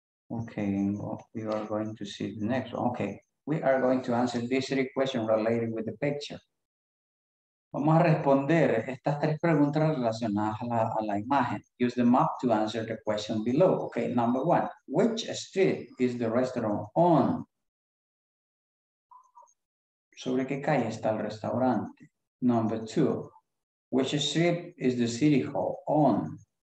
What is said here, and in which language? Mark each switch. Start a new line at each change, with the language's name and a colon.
English: Okay, we are going to see the next one. Okay, we are going to answer this question related with the picture.
Spanish: Vamos a responder estas tres preguntas relacionadas a la imagen.
English: Use the map to answer the question below. Okay, number one, which street is the restaurant on?
Spanish: ¿Sobre qué calle está el restaurante?
English: Number two, which street is the city hall on?